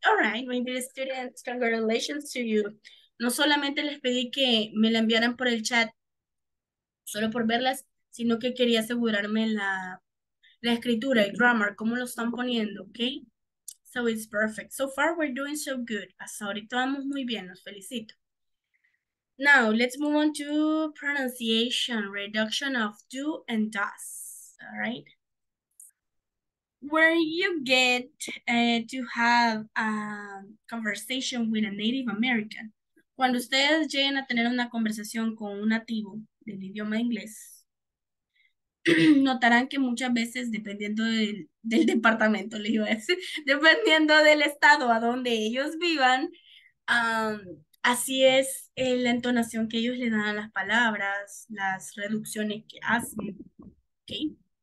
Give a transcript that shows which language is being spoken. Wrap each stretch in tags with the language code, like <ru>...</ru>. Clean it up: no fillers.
<en>All right, maybe the students, congratulations to you.</en> <es>No solamente les pedí que me la enviaran por el chat, solo por verlas, sino que quería asegurarme la escritura, el grammar, cómo lo están poniendo, ¿ok?</es> <en>So it's perfect. So far we're doing so good.</en> <es>Hasta ahorita vamos muy bien, los felicito.</es> <en>Now, let's move on to pronunciation, reduction of do and does, all right? Where you get to have a conversation with a Native American.</en> <es>Cuando ustedes lleguen a tener una conversación con un nativo del idioma inglés, notarán que muchas veces, dependiendo del departamento, les iba a decir, dependiendo del estado a donde ellos vivan, así es la entonación que ellos le dan a las palabras, las reducciones que hacen, ¿ok?</es>